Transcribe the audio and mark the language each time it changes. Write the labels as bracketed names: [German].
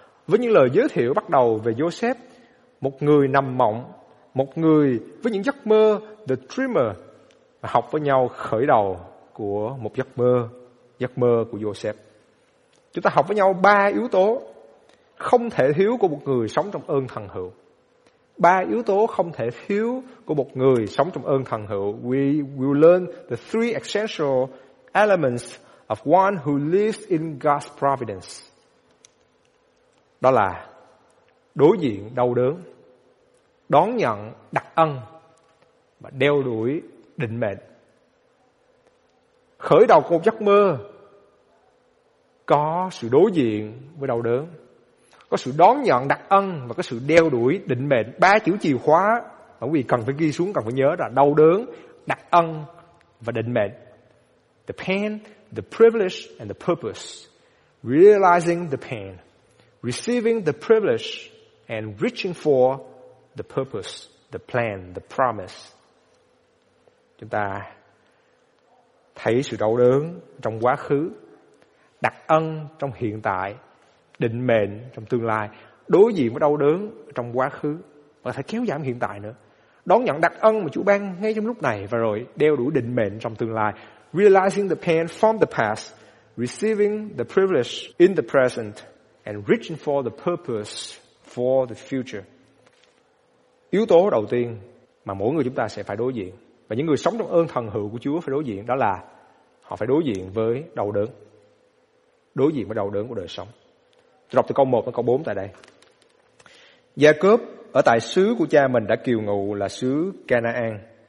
[Vietnamese] Với những lời giới thiệu bắt đầu về Joseph, một người nằm mộng, một người với những giấc mơ, [English] the dreamer, [Vietnamese] và học với nhau khởi đầu của một giấc mơ của Joseph. Chúng ta học với nhau 3 yếu tố không thể thiếu của một người sống trong ơn thần hữu. 3 yếu tố không thể thiếu của một người sống trong ơn thần hữu. [English] We will learn the 3 essential elements of one who lives in God's providence. [Vietnamese] Đó là đối diện đau đớn, đón nhận đặc ân và đeo đuổi định mệnh. Khởi đầu của một giấc mơ có sự đối diện với đau đớn, có sự đón nhận đặc ân và có sự đeo đuổi định mệnh. 3 chữ chìa khóa mà quý vị cần phải ghi xuống, cần phải nhớ, là đau đớn, đặc ân và định mệnh. [English] The pain, the privilege and the purpose. Realizing the pain, receiving the privilege and reaching for the purpose, the plan, the promise. [Vietnamese] Chúng ta thấy sự đau đớn trong quá khứ, đặc ân trong hiện tại, định mệnh trong tương lai, đối diện với đau đớn trong quá khứ, và phải kéo giảm hiện tại nữa. Đón nhận đặc ân mà Chúa ban ngay trong lúc này và rồi đeo đuổi định mệnh trong tương lai. [English] Realizing the pain from the past, receiving the privilege in the present, and reaching for the purpose for the future. [Vietnamese] Yếu tố đầu tiên mà mỗi người chúng ta sẽ phải đối diện, và những người sống trong ơn thần hữu của Chúa phải đối diện, đó là họ phải đối diện với đau đớn. Đối diện với đau đớn của đời sống. Tôi đọc từ câu 1 đến câu 4 tại đây. Gia-cốp ở tại xứ của cha mình đã kiều ngụ là xứ Canaan.